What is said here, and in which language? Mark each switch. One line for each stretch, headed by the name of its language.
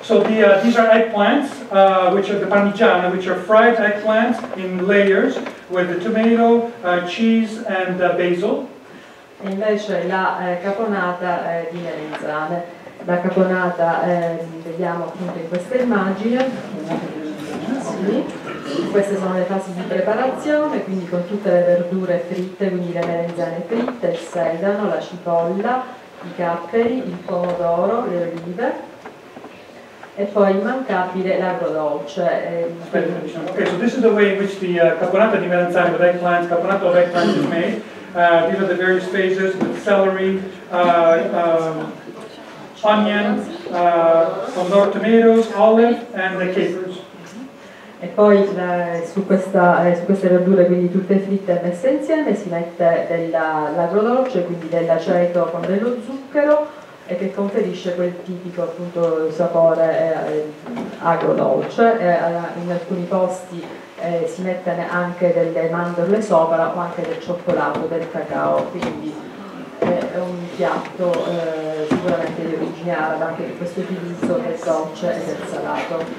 English: So these are eggplants, which are the parmigiana, which are fried eggplants in layers with the tomato, cheese and basil.
Italian: Invece la caponata di melanzane. La caponata vediamo appunto in questa immagine, sì. Queste sono le fasi di preparazione, quindi con tutte le verdure fritte, quindi le melanzane fritte, il sedano, la cipolla, i capperi, il pomodoro, le olive e poi immancabile l'agrodolce.
English: Ok, so this is the way in which the caponata di melanzane with eggplants, caponata of eggplants is made. These are the various phases with celery, onions, pomodoro, tomatoes, olive and the capers.
Italian: E poi su queste verdure, quindi tutte fritte e messe insieme, si mette l'agrodolce, quindi dell'aceto con dello zucchero, e che conferisce quel tipico appunto sapore agrodolce. In alcuni posti si mettono anche delle mandorle sopra o anche del cioccolato, del cacao, quindi è un piatto sicuramente di origine araba, anche per questo utilizzo del dolce e del salato.